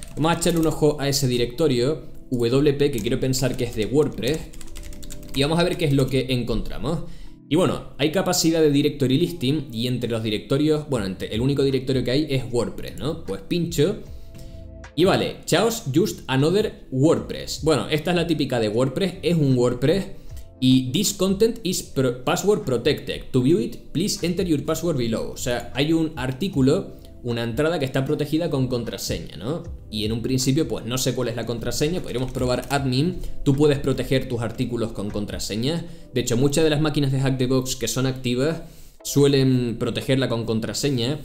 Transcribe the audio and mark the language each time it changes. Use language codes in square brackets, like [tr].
[es] Vamos a echarle un ojo a ese directorio WP, que quiero pensar que es de WordPress, y vamos a ver qué es lo que encontramos. Y bueno, hay capacidad de directory listing, y entre los directorios, bueno, entre el único directorio que hay es WordPress, ¿no? Pues pincho y vale, chaos [en] just another WordPress. [es] Bueno, esta es la típica de WordPress, es un WordPress. [en] Y this content is password protected. To view it, please enter your password below. [es] O sea, hay un artículo, una entrada que está protegida con contraseña, ¿no? Y en un principio, pues no sé cuál es la contraseña, podríamos probar admin. Tú puedes proteger tus artículos con contraseñas. De hecho, muchas de las máquinas de Hack the Box que son activas suelen protegerla con contraseña.